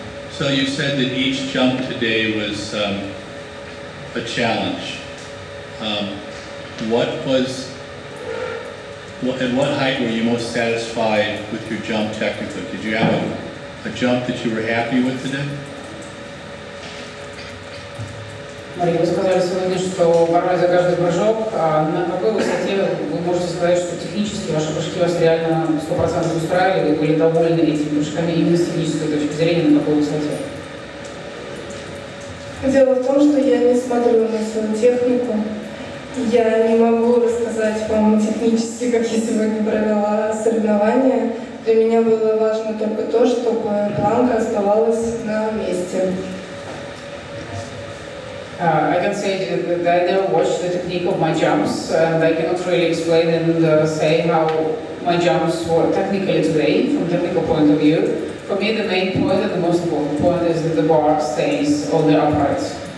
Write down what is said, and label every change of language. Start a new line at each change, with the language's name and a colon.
English: So you said that each jump today was a challenge. At what height were you most satisfied with your jump technically? Did you have a jump that you were happy with today?
Russian: Мария, вы сказали сегодня, что борьба за каждый прыжок. На какой высоте вы можете сказать, что технически ваши прыжки вас реально 100% устраивали, вы были довольны этими прыжками именно с технической точки зрения, на какой высоте? Дело в том, что я не смотрю на свою технику. Я не могу рассказать вам технически, как я сегодня провела соревнования. Для меня было важно только то, чтобы планка оставалась на месте.
English: I can say that I never watched the technique of my jumps, and I cannot really explain and say how my jumps were technically today, from a technical point of view. For me, the main point and the most important point is that the bar stays on the uprights.